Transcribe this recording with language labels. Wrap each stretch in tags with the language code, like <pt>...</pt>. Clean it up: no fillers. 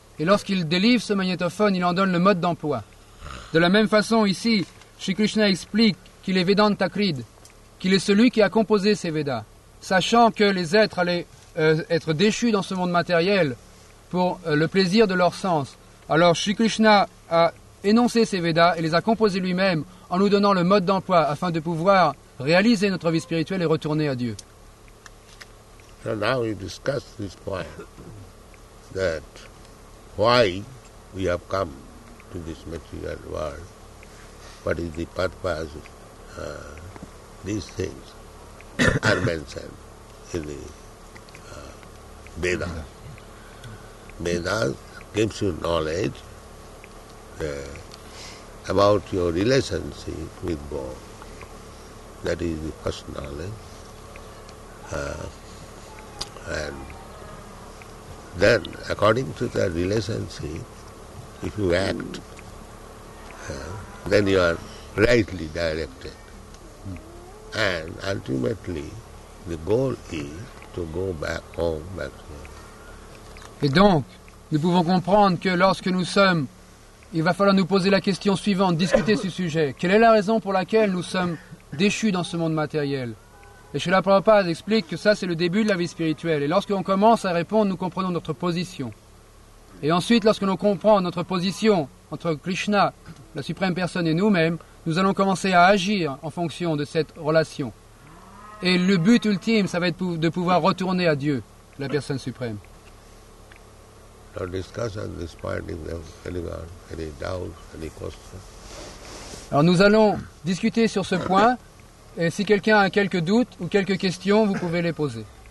<fr>Et lorsqu'il délivre ce magnétophone, il en donne le mode d'emploi. De la même façon ici, Sri Krishna explique qu'il est Vedanta Krid, qu'il est celui qui a composé ces Vedas, sachant que les êtres allaient être déchus dans ce monde matériel pour le plaisir de leurs sens. Alors Sri Krishna a énoncé ces Vedas et les a composés lui-même en nous donnant le mode d'emploi afin de pouvoir réaliser notre vie spirituelle et retourner à Dieu.</fr> <en>So now we discuss this point that why we have come to this material world, what is the purpose of these things are mentioned in the Vedas. Vedas gives you knowledge about your relationship with God. That is the first knowledge. And then, according to the relationship, if you act, then you are rightly directed. And ultimately, the goal is to go back home, back to God.</en> <fr>Et donc, nous pouvons comprendre que lorsque nous sommes, il va falloir nous poser la question suivante, discuter ce sujet. Quelle est la raison pour laquelle nous sommes déchus dans ce monde matériel? Et Srila Prabhupada explique que ça, c'est le début de la vie spirituelle. Et lorsqu'on commence à répondre, nous comprenons notre position. Et ensuite, lorsque l'on comprend notre position entre Krishna, la Suprême Personne, et nous-mêmes, nous allons commencer à agir en fonction de cette relation. Et le but ultime, ça va être de pouvoir retourner à Dieu, la Personne Suprême.</fr> <en>No discussion at this point if there is anyone, any doubt, any question.</en> <fr>Alors nous allons discuter sur ce point, et si quelqu'un a quelques doutes ou quelques questions, vous pouvez les poser.</fr>